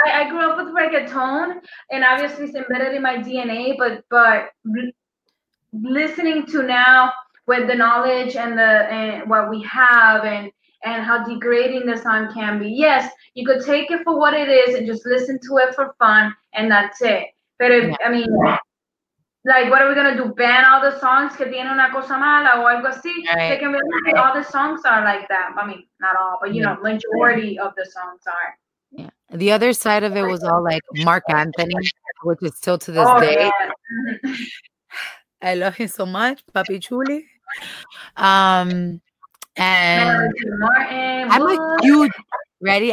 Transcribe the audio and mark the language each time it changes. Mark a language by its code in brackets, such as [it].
[en] I grew up with reggaeton, and obviously it's embedded in my DNA, but listening to now with the knowledge and the and what we have and how degrading the song can be. Yes, you could take it for what it is and just listen to it for fun, and that's it. But if, I mean, like, what are we going to do? Ban all the songs? [es] Que tiene una cosa mala o algo así? [en] All the songs are like that. I mean, not all, but, you know, majority of the songs are. The other side of it was all like Mark Anthony, which is still to this day. I love him so much, Papi Chuli. And I'm a huge, ready?